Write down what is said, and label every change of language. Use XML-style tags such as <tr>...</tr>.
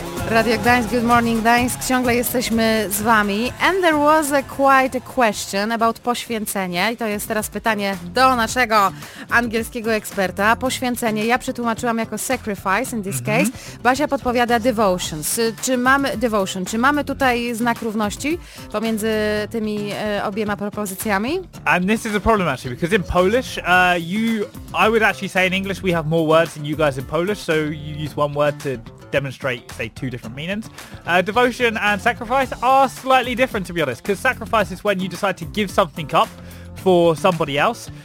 <pl>Radio Gdańsk,</pl> <en>Good Morning Gdańsk,</en> <pl>ciągle jesteśmy z Wami.</pl> <en>And there was quite a question about poświęcenie.</en> <pl>I to jest teraz pytanie do naszego angielskiego eksperta. Poświęcenie, ja przetłumaczyłam jako sacrifice</pl> <en>in this case.</en> <pl>Basia podpowiada devotions. Czy mamy devotion? Czy mamy tutaj znak równości pomiędzy tymi obiema propozycjami?</pl> <en>And this is a problem actually, because in Polish, I would actually say in English we have more words than you guys in Polish, so you use one word to demonstrate, say, two different meanings. Devotion and sacrifice are slightly different, to be honest, because sacrifice is when you decide to give something up for somebody else.</en>